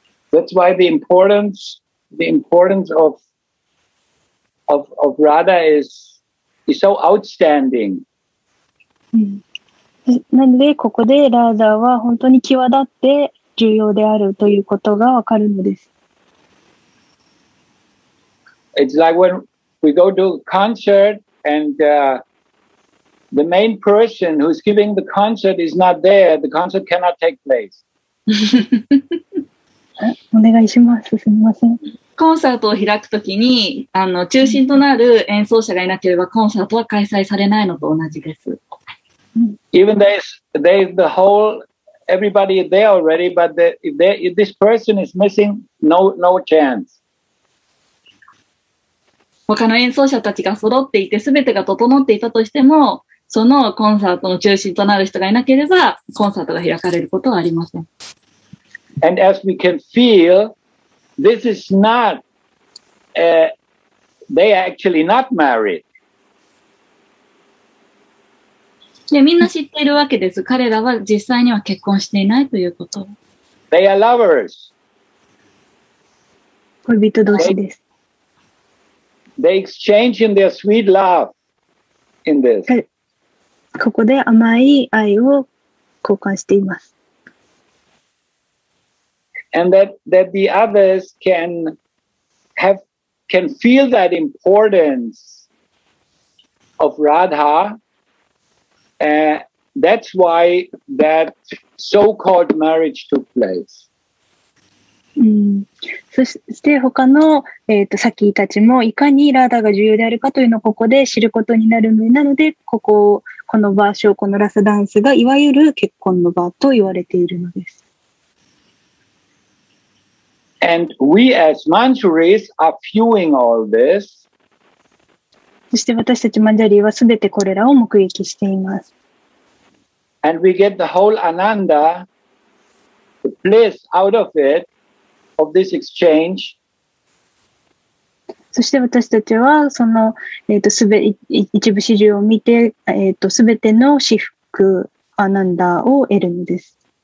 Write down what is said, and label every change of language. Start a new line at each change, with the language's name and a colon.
English: That's why the importance of Radha is so outstanding.
Japanese: なのでここでラーダは本当に際立って重要であるということがわかるのです。
English: It's like when we go to a concert and the main person who's giving the concert is not there, the concert cannot take place.
Japanese: お願いします。すみません。コンサートを開くときに、中心となる演奏者がいなければコンサートは開催されないのと同じです。
English: Even they the whole everybody there already, but if this person is missing, no chance.
Japanese: 他の演奏者たちが揃っていて全てが整っていたとしても、そのコンサートの中心となる人がいなければコンサートが開かれることはありません。
English: And as we can feel, this is not, they are actually not married.
Japanese: で、みんな知っているわけです。彼らは実際には結婚していないということ。
English: They are lovers.
Japanese: 恋人同士です。
English: They exchange in their sweet love in this.
Japanese: ここで甘い愛を交換しています。
English: And that the others can feel that importance of Radha. That's why that so-called marriage took place.
Japanese: そして他の、サキたちもいかにラーダが重要であるかというのをここで知ることになるので、なのでこの場所、このラスダンスがいわゆる結婚の場と言われているのです。
English: And we as Manjuris are viewing all this.
Japanese: そして私たちマンジャリーはすべてこれらを目撃しています。
English: And we get the whole Ananda, the bliss out of itOf this exchange.
Japanese: そして私たちはその、一部始終を見て、すべての至福アナンダを得るんです。